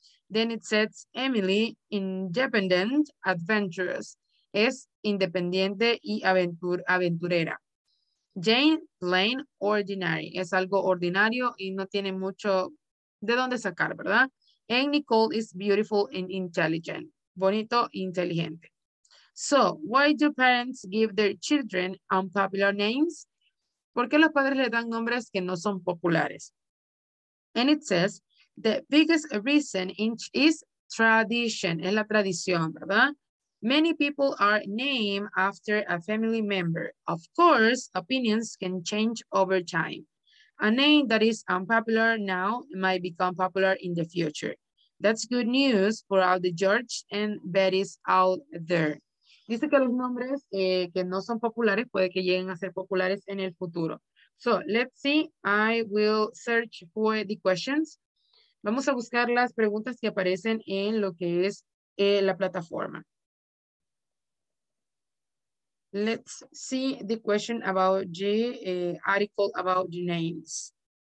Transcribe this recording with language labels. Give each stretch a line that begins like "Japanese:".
English: Then it says Emily, independent, adventurous.
Spanish: Es independiente y aventurera.
English: Jane, plain, ordinary.
Spanish: Es algo ordinario y no tiene mucho de dónde sacar, ¿verdad?
English: And Nicole is beautiful and intelligent.
Spanish: Bonito, inteligente.
English: So, why do parents give their children unpopular names?
Spanish: ¿Por qué los padres le dan nombres que no son populares?
English: And it says, the biggest reason is tradition,
Spanish: es la tradición, ¿verdad?
English: Many people are named after a family member. Of course, opinions can change over time. A name that is unpopular now might become popular in the future. That's good news for all the George and Betty's out there.
Spanish: Dice que los nombres que no son populares puede que lleguen a ser populares en el futuro.
English: So, let's see. I will search for the questions.
Spanish: Vamos a buscar las preguntas que aparecen en lo que es la plataforma.
English: Let's see the question about the article about the names.